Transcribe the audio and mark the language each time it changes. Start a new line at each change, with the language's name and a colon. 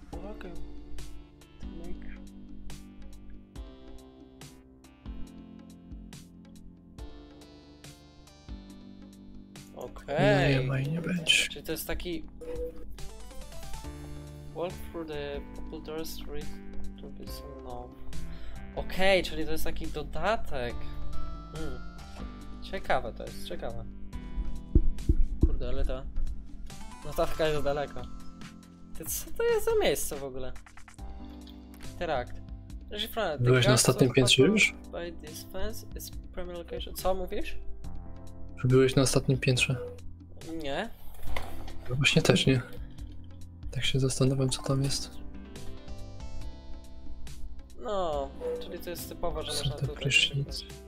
English: Okay. To make...
Polish: Okej. Okay. Nie ma i nie będzie. Czy to jest taki...
English: Walk through the popular street.
Polish: No. Okej, okay, czyli to jest taki dodatek. Hmm. Ciekawe to jest, ciekawe. Kurde, ale to... Notatka jest daleko. To co to jest za miejsce w ogóle?
English: Interact.
Polish: Byłeś na ostatnim piętrze już?
English: By this fence is premier location.
Polish: Co mówisz? Byłeś na ostatnim piętrze? Nie. Właśnie też nie. Tak się zastanawiam, co tam jest. No, czyli to jest typowo, że można tutaj prysznic.